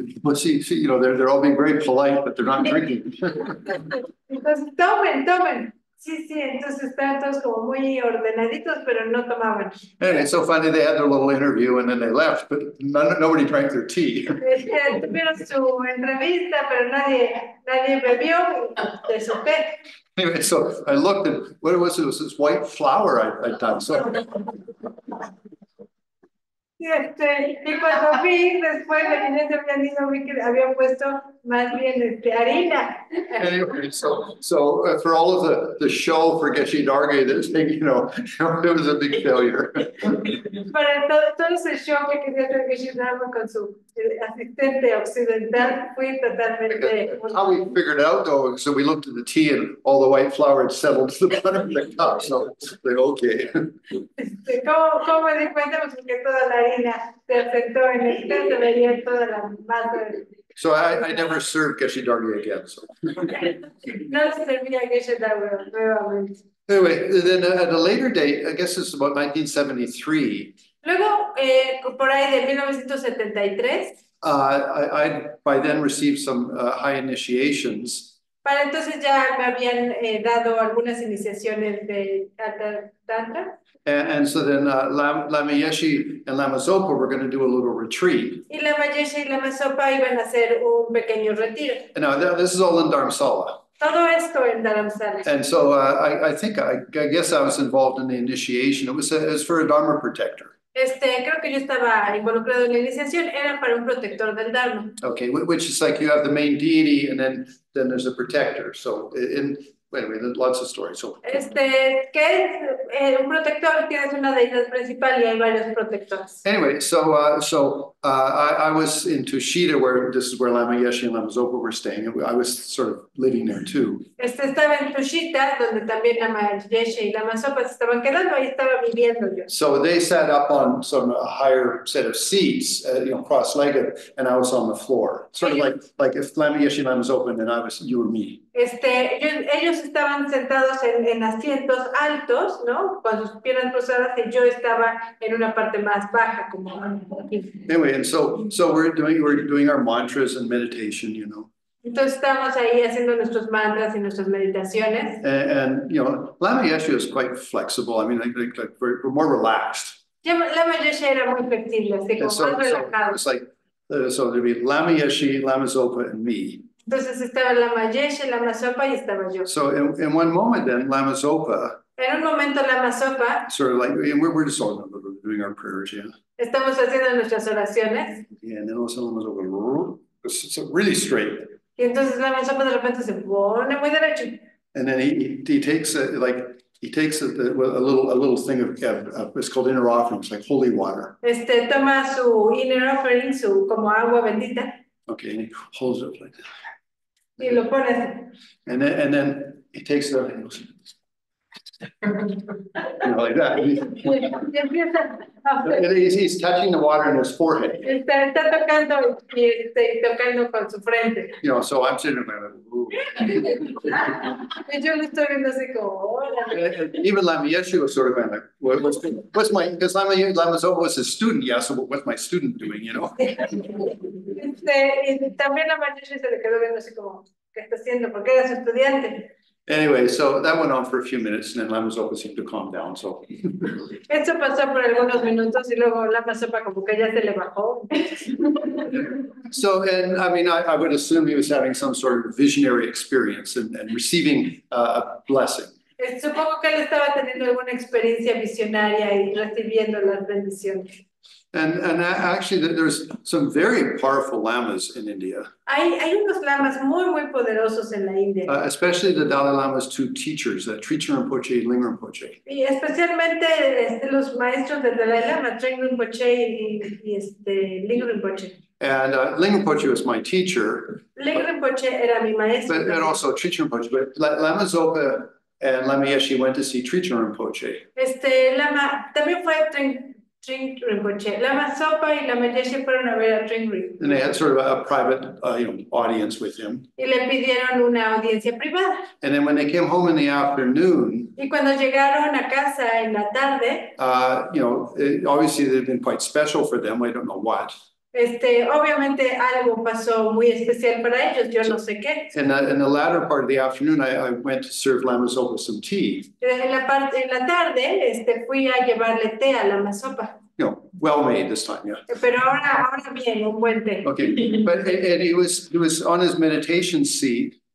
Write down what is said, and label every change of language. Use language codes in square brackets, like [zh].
[en] But see, you know, they're all being very polite, but they're not drinking. [es] Entonces, tomen, tomen. Sí, entonces están todos como muy ordenaditos, pero no tomaban. [en] Anyway, so finally they had their little interview and then they left, but nobody drank their tea. [es] Tuvieron su entrevista, pero nadie bebió de su té. [en] Anyway, so I looked and what it was, this white flower I'd done. [es] Y cuando vi después de que no se habían dicho, vi que habían puesto más bien harina. [en] Anyway, so for all of the show for Geshe Dargie, [es] Para todo ese show que quería transmitirme con su asistente occidental, fui totalmente. [en] it was a big failure. How we figured it out, though, so we looked at the tea and all the white flour had settled to the bottom of the cup, so it's like, [es] ¿Cómo me di cuenta? Pues porque toda la harina se asentó en el té, se veía toda la masa. [en] So I never served Geshe [es] No se servía que se da nuevamente. [en] Dargie again. So. Anyway, then at a later date, I guess it's about 1973. [es] Luego, por ahí de 1973, [en] I by then received some high initiations. [es] para entonces ya me habían dado algunas iniciaciones de Tantra. [en] And so then Lama Yeshe and Lama Zopa were going to do a little retreat. [es] Y Lama Yeshe y Lama Sopa iban a hacer un pequeño retiro. [en] Now, this is all in Dharamsala. [es] Todo esto en Dharamsala. [en] And so I think, I guess I was involved in the initiation. It was for a Dharma protector. [es] Creo que yo estaba involucrado en la iniciación, era para un protector del Dharma. [en] Okay, which is like you have the main deity and then there's a protector. So in anyway, there's lots of stories. So [es] ¿Qué es un protector? Tienes una deidad principal y hay varios protectores. [en] anyway, I was in Tushita where this is where Lama Yeshe and Lama Zopa were staying. I was sort of living there too. [es] Estaba en Tushita, donde también Lama Yeshe y Lama Sopa se estaban quedando, ahí estaba viviendo yo. [en] So they sat up on some a higher set of seats, you know, cross-legged, and I was on the floor, sort of like if Lama Yeshe Lama was open, then I was you or me. [es] Ellos estaban sentados en asientos altos, ¿no? Con sus piernas cruzadas y yo estaba en una parte más baja, como aquí. [en] Anyway, and so we're doing our mantras and meditation, you know. [es] Entonces estamos ahí haciendo nuestros mantras y nuestras meditaciones. [en] And you know, Lama Yeshe is quite flexible. I mean, like more relaxed. [es] La mayoría era muy flexible, así [en] And [es] como más [en] so it [es] relajado. [en] was like, so there'd be Lama Yeshe, Lama Zopa, and me. [es] Entonces estaba Lama Yeshe, Lama Zopa y estaba yo. [en] So in one moment then, Lama Zopa, [es] En un momento Lama Zopa, [en] sort of like, we're just all doing our prayers, yeah. [es] estamos haciendo nuestras oraciones. [en] And then all of a sudden Lama Zopa, so really straight. [es] Y entonces Lama Zopa de repente se pone muy derecho. [en] And then he takes a, like he takes a little thing of it's called inner offerings, like holy water. [es] Toma su inner offering, su como agua bendita, [en] Okay, and he holds it like [es] y [en] that. [es] lo pone. [en] And then he takes it out and goes, like that. He's touching the water in his forehead. [es] Está tocando y tocando con su frente. [en] So I'm sitting there like, ooh. [es] Yo estoy viendo así como, hola. [en] Even Lama Yeshe was sort of like, what's my, because Lama Zopa was a student, yeah, so what's my student doing, [es] Y también la mayoría se le quedó viendo así como, ¿qué está haciendo? ¿Por qué eres estudiante? [en] Anyway, so that went on for a few minutes, and then Lama Zopa seemed to calm down, so. [es] Eso pasó por algunos minutos y luego la pasó para como que ya se le bajó. [en] So, and I mean, I would assume he was having some sort of visionary experience and receiving a blessing. [es] Supongo que él estaba teniendo alguna experiencia visionaria y recibiendo las bendiciones. [en] And actually, there's some very powerful lamas in India, [es] Hay unos lamas muy, muy poderosos en la India. [en] especially the Dalai Lama's two teachers, Trichin Rinpoche and Lingma Rinpoche. [es] Y especialmente los maestros de Dalai Lama, Trenton Boche y Lingren [en] And Lingpoche was my teacher, [es] Boche. Lingren Boche era mi maestro [en] and [es] también. [en] also Trichin Rinpoche. But Lama Zopa and Lama Yeshe went to see Trichin Rinpoche. [es] Lama también fue a Trenton Boche. Lama Zopa y Lama Yeshe fueron a ver a Trenton. [en] And they had sort of a private, audience with him. [es] Y le pidieron una audiencia privada. [en] And then when they came home in the afternoon, [es] Y cuando llegaron a casa en la tarde, [en] obviously they've been quite special for them. I don't know what. [es] obviamente algo pasó muy especial para ellos, yo no sé qué. [en] In the latter part of the afternoon, I went to serve Lama Zopa some tea. [es] En la tarde, fui a llevarle té a la mazopa. [en] Well made this time, yeah. [es] Pero ahora bien, un buen [en] Okay, [es] té. [en] but and he was on his meditation seat,